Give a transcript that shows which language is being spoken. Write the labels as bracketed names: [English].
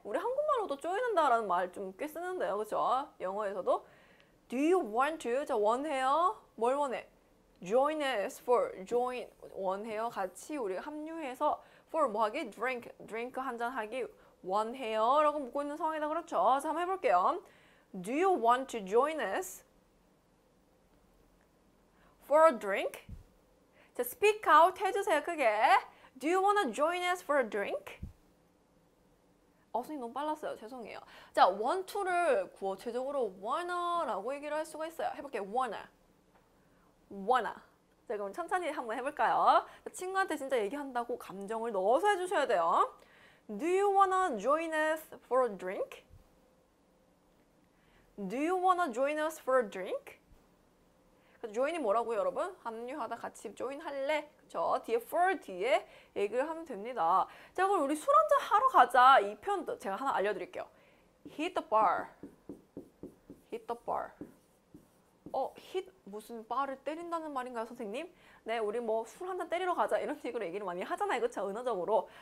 [Korean] 우리 한국말로도 조인한다라는 말 좀 꽤 쓰는데요, 그쵸? 영어에서도 [English] Do you want to? [Korean] 자, 원해요? 뭘 원해? [English] Join us for. Join. [Korean] 원해요? 같이 우리가 합류해서 for 뭐하기? [English] Drink. Drink [Korean] 한잔하기. 원해요? 라고 묻고 있는 상황이다. 그렇죠? 자, 한번 해볼게요. [English] Do you want to join us for a drink? [Korean] 자, [English] speak out [Korean] 해주세요. 크게. [English] Do you want to join us for a drink? [Korean] 선생님 너무 빨랐어요. 죄송해요. 자, want to를 구어체적으로 wanna 라고 얘기를 할 수가 있어요. 해볼게요. wanna. wanna. 자, 그럼 천천히 한번 해볼까요? 친구한테 진짜 얘기한다고 감정을 넣어서 해주셔야 돼요. [English] Do you wanna join us for a drink? Do you wanna join us for a drink? [Korean] join이 뭐라고요, 여러분? 합류하다 같이 join 할래? 저 뒤에 for 뒤에 얘기를 하면 됩니다. 자, 그럼 우리 술 한잔 하러 가자. 이 표현도 제가 하나 알려드릴게요. [English] Hit the bar. Hit the bar. [Korean] 힛 무슨 바를 때린다는 말인가요, 선생님? 네, 우리 뭐 술 한잔 때리러 가자 이런 식으로 얘기를 많이 하잖아요, 그렇죠? 은어적으로.